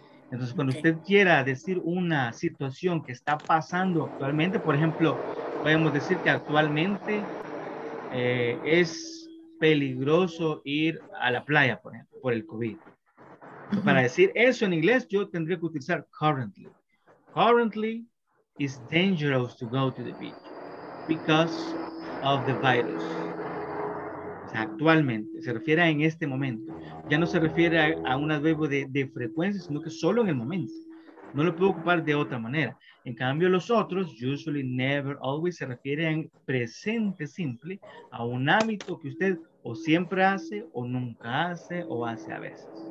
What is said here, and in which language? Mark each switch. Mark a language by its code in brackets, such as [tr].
[es] Entonces, cuando usted quiera decir una situación que está pasando actualmente, por ejemplo, podemos decir que actualmente es peligroso ir a la playa, por ejemplo, por el COVID. Para decir eso en inglés, yo tendría que utilizar currently. [en] Currently, it's dangerous to go to the beach because of the virus. [es] O sea, actualmente, se refiere a en este momento. Ya no se refiere a un adverbio de frecuencia, sino que solo en el momento. No lo puedo ocupar de otra manera. En cambio, los otros, usually, never, always, se refieren en presente simple a un hábito que usted o siempre hace, o nunca hace, o hace a veces.